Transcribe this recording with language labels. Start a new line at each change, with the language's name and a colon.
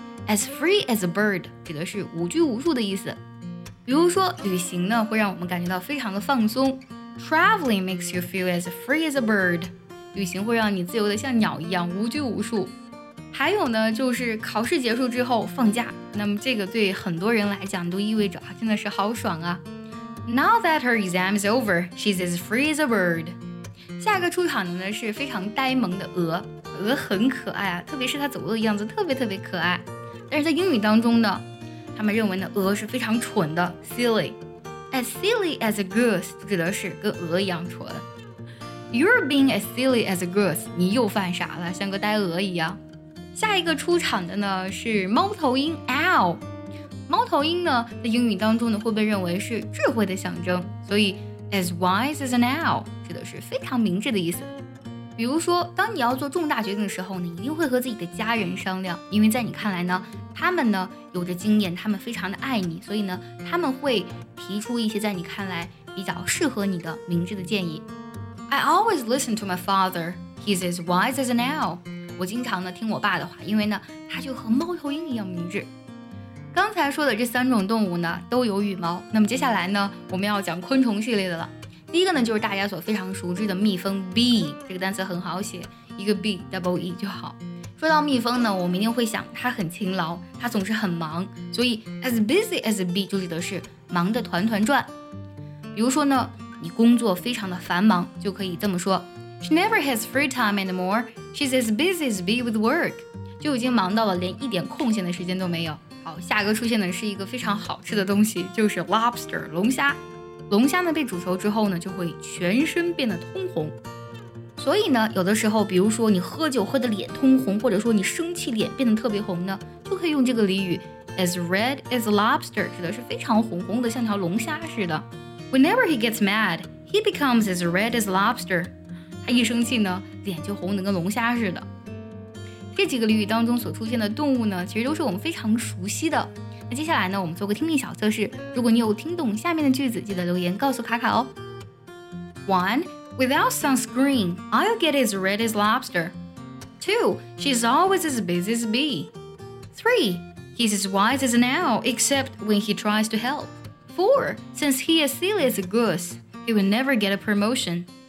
English: As free as a bird
Chinese: 指的是无拘无束的意思。比如说旅行呢会让我们感觉到非常的放松，
English: Traveling makes you feel as free as a bird，
Chinese: 旅行会让你自由的像鸟一样无拘无束。还有呢就是考试结束之后放假，那么这个对很多人来讲都意味着真的是好爽啊。
English: Now that her exam is over she's as free as a bird。
Chinese: 下一个出场的呢是非常呆萌的鹅，鹅很可爱啊，特别是它走路的样子特别特别可爱。但是在英语当中呢，他们认为呢鹅是非常蠢的 ，silly。
English: As silly as a goose
Chinese: 指的是跟鹅一样蠢。
English: You're being as silly as a goose，
Chinese: 你又犯傻了，像个呆鹅一样。下一个出场的呢是猫头鹰 owl。猫头鹰呢在英语当中呢会被认为是智慧的象征，所以。
English: As wise as an owl
Chinese: 指的是非常明智的意思。比如说当你要做重大决定的时候呢，你一定会和自己的家人商量，因为在你看来呢他们呢有着经验，他们非常的爱你，所以呢他们会提出一些在你看来比较适合你的明智的建议。
English: I always listen to my father He's as wise as an owl
Chinese: 我经常呢听我爸的话，因为呢他就和猫头鹰一样明智。刚才说的这三种动物呢都有羽毛，那么接下来呢我们要讲昆虫系列的了。第一个呢就是大家所非常熟知的蜜蜂 bee， 这个单词很好写，一个 b double e 就好。说到蜜蜂呢我们一定会想它很勤劳，它总是很忙，所以
English: as busy as a bee
Chinese: 就指的是忙得团团转。比如说呢你工作非常的繁忙就可以这么说，
English: She never has free time anymore She's as busy as a bee with work，
Chinese: 就已经忙到了连一点空闲的时间都没有。好，下一个出现的是一个非常好吃的东西，就是 lobster 龙虾。龙虾呢被煮熟之后呢就会全身变得通红，所以呢有的时候比如说你喝酒喝得脸通红，或者说你生气脸变得特别红呢，就可以用这个俚语
English: as red as a lobster，
Chinese: 指的是非常红红的像条龙虾似的。
English: Whenever he gets mad he becomes as red as a lobster，
Chinese: 他一生气呢脸就红得跟龙虾似的。这几个俚语当中所出现的动物呢其实都是我们非常熟悉的。那接下来呢我们做个听力小测试，如果你有听懂下面的句子记得留言告诉卡卡哦。 1.
English: Without sunscreen I'll get as red as lobster 2. She's always as busy as a bee 3. He's as wise as an owl except when he tries to help 4. Since he is silly as a goose he will never get a promotion